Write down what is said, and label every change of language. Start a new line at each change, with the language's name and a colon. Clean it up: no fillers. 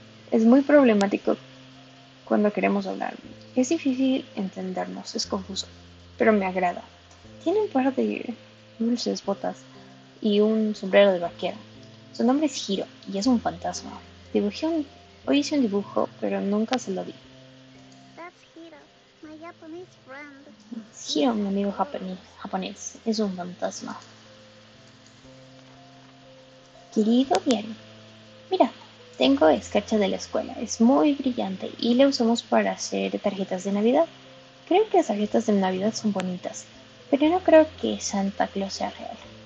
Spanish: Es muy problemático cuando queremos hablar. Es difícil entendernos, es confuso, pero me agrada. Tiene un par de dulces botas y un sombrero de vaquero. Su nombre es Hiro y es un fantasma. Hoy hice un dibujo, pero nunca se lo di.
English: That's Hiro, my Japanese friend.
Spanish: Es Hiro, mi amigo japonés. Es un fantasma. Querido diario, mira, tengo escarcha de la escuela. Es muy brillante y la usamos para hacer tarjetas de Navidad. Creo que las tarjetas de Navidad son bonitas, pero no creo que Santa Claus sea real.